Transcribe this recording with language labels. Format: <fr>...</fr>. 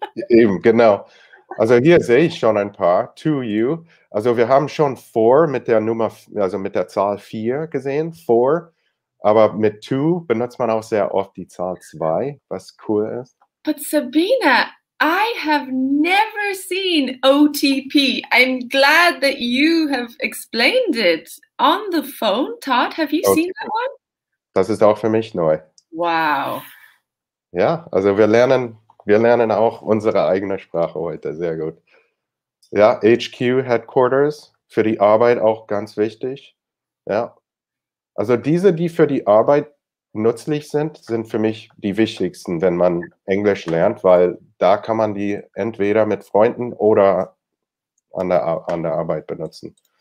<de>Eben, genau. Also hier sehe ich schon ein paar.</de> <en>To you.</en> <de>Also wir haben schon for mit der Nummer, also mit der Zahl 4 gesehen. For. Aber mit to benutzt man auch sehr oft die Zahl 2, was cool ist.</de> <en>But Sabina, I have never seen OTP. I'm glad that you have explained it on the phone. Todd, have you seen that one?</en> <de>Das ist auch für mich neu. Wow. Ja, also wir lernen auch unsere eigene Sprache heute. Sehr gut. Ja, HQ, Headquarters, für die Arbeit auch ganz wichtig. Ja. Also diese, die für die Arbeit nützlich sind, sind für mich die wichtigsten, wenn man Englisch lernt, weil da kann man die entweder mit Freunden oder an der Arbeit benutzen.</de>